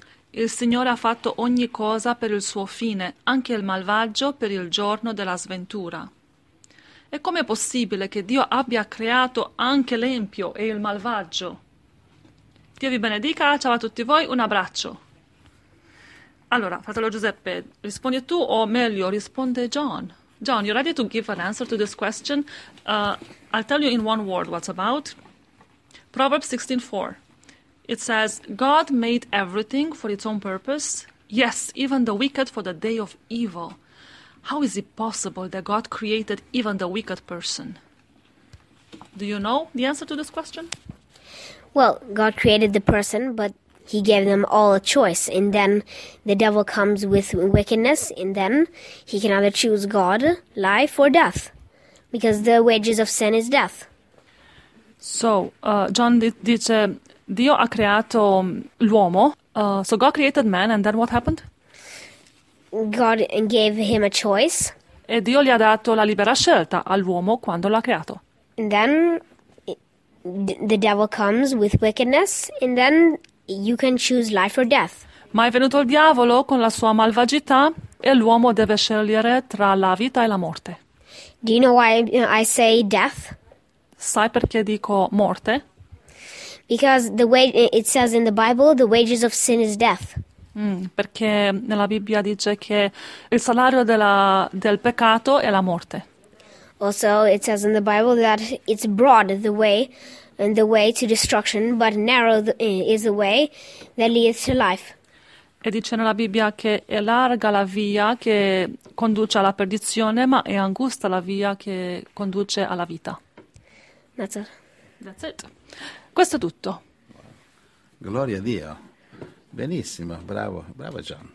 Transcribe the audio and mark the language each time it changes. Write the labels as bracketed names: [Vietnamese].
[Italian] Il Signore ha fatto ogni cosa per il suo fine, anche il malvagio per il giorno della sventura. E com'è possibile che Dio abbia creato anche l'empio e il malvagio? Dio vi benedica, ciao a tutti voi, un abbraccio. Allora, fratello Giuseppe, rispondi tu o meglio, risponde John. [English] John, you're ready to give an answer to this question? I'll tell you in one word what's about. Proverbs 16:4. It says, God made everything for its own purpose. Yes, even the wicked for the day of evil. How is it possible that God created even the wicked person? Do you know the answer to this question? Well, God created the person, but he gave them all a choice. And then the devil comes with wickedness, and then he can either choose God, life, or death, because the wages of sin is death. [Italian] John dice, Dio ha creato l'uomo. [English] So God created man, and then what happened? God gave him a choice. [Italian] E Dio gli ha dato la libera scelta all'uomo quando lo ha creato. [English] And then the devil comes with wickedness, and then you can choose life or death. [Italian] Ma è venuto il diavolo con la sua malvagità e l'uomo deve scegliere tra la vita e la morte. [English] Do you know why I say death? [Italian] Sai perché dico morte? [English] Because the way it says in the Bible, the wages of sin is death. [Italian] Perché nella Bibbia dice che il salario del peccato è la morte. [English] Also, it says in the Bible that it's broad the way and the way to destruction, but narrow is the way that leads to life. [Italian] E dice nella Bibbia che è larga la via che conduce alla perdizione, ma è angusta la via che conduce alla vita. [English] That's all. [Italian] it. Questo è tutto. Gloria a Dio. Benissimo, bravo, bravo John.